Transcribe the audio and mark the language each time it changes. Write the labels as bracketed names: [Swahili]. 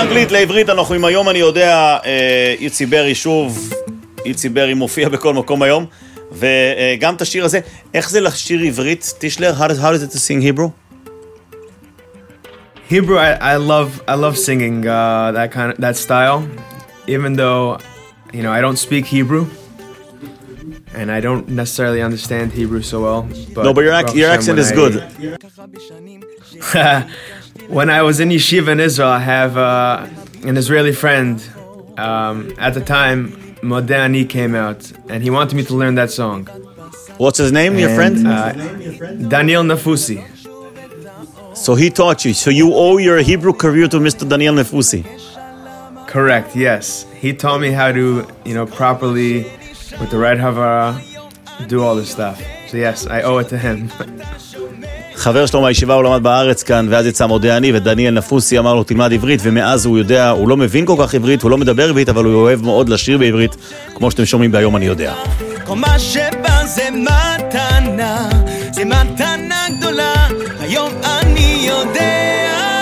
[Hebrew] לעברית אנחנו עם היום, אני יודע, יצי ברי שוב, יצי ברי מופיע בכל מקום היום, וגם את השיר הזה, איך זה לשיר עברית, טישלר? [English] How is it to sing Hebrew? Hebrew, I love singing that kind of, that style, even though, you know, I don't speak Hebrew, and I don't necessarily understand Hebrew so well. But no, but your accent is good. When I was in yeshiva in Israel, I have an Israeli friend. At the time, Mode Ani came out, and he wanted me to learn that song. What's his name, your friend? Daniel Nafusi. So he taught you. So you owe your Hebrew career to Mr. Daniel Nafusi. Correct, yes. He taught me how to, you know, properly, with the right Havara, do all this stuff. So yes, I owe it to him. [Hebrew] חבר שלו מהישיבה הוא למד בארץ כאן, ואז יצא מודה אני, ודניאל נפוסי אמר לו תלמד עברית, ומאז הוא יודע, הוא לא מבין כל כך עברית, הוא לא מדבר עברית, אבל הוא אוהב מאוד לשיר בעברית, כמו שאתם שומעים ביום אני יודע. כל מה שבא זה מתנה גדולה, היום אני יודע.